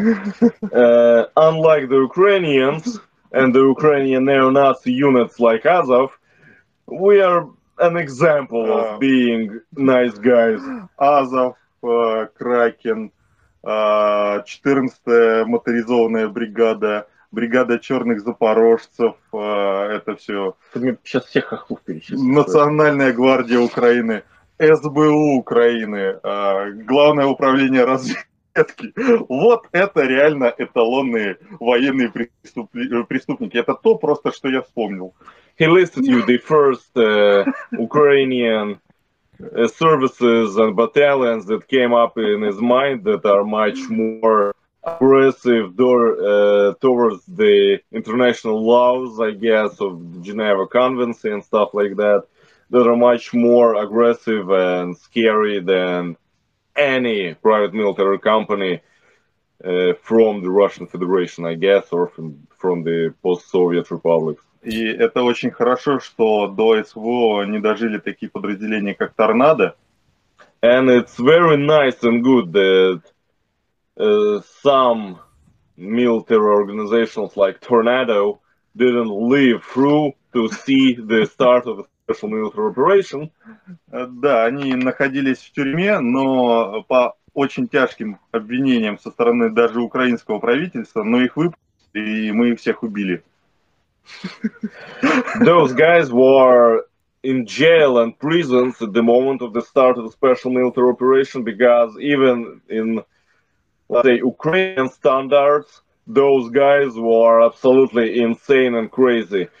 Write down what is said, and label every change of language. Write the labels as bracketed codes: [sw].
[en] Unlike the Ukrainians and the Ukrainian neo-Nazi units like Azov, we are an example of being nice guys. [ru] Азов, Кракен, 14-я моторизованная бригада, бригада черных запорожцев, это все. Ты мне сейчас всех хохлов перечислил. Национальная гвардия Украины, СБУ Украины, Главное управление разведки. Вот это реально эталонные военные преступники. Это то просто, что я вспомнил. [en] He listed you the first Ukrainian services and battalions that came up in his mind that are much more aggressive towards the international laws, I guess, of the Geneva Convention and stuff like that, that are much more aggressive and scary than any private military company from the Russian Federation, I guess, or from the post-Soviet republics. [ru] И это очень хорошо, что до СВО не дожили такие подразделения, как Торнадо. [en] And it's very nice and good that some military organizations like Tornado didn't live through to see the start of a special military operation. [ru] Да, они находились в тюрьме, но по очень тяжким обвинениям со стороны даже украинского правительства, но их выпустили, и мы их всех убили. [en] Those guys were in jail and prisons at the moment of the start of the special military operation because even in, let's say, Ukrainian standards, those guys were absolutely insane and crazy.